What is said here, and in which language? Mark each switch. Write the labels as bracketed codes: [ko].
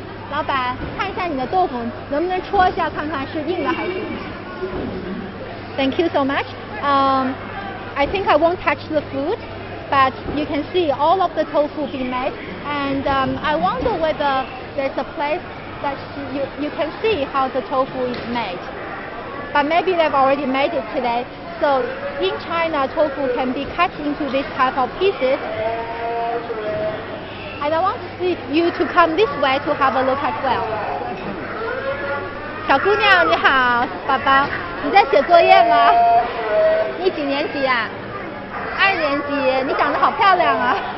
[zh] 老板，看一下你的豆腐，能不能戳一下看看是硬的还是硬？ [en] Thank you so much. I think I won't touch the food, but you can see all of the tofu being made. And I wonder whether there's a place that you can see how the tofu is made. But maybe they've already made it today. So in China, tofu can be cut into this type of pieces. And I want you to come this way to have a look as well. [zh] 小姑娘你好，宝宝，你在写作业吗？你几年级啊？二年级，你长得好漂亮啊。